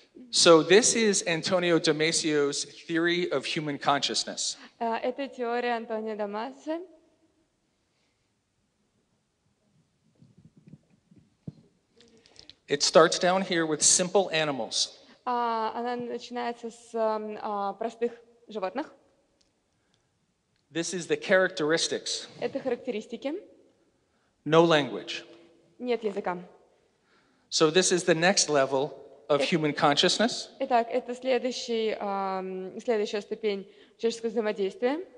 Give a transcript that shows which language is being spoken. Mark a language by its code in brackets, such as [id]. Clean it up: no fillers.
[en] So this is Antonio Damasio's theory of human consciousness. [ru] Это теория Антонио Дамасио. [en] It starts down here with simple animals. [ru] Она начинается с простых животных. [en] This is the characteristics. [ru] Это характеристики. [en] No language. [ru] Нет языка. [en] So this is the next level of human consciousness. [ru] Итак, это следующая ступень человеческого взаимодействия.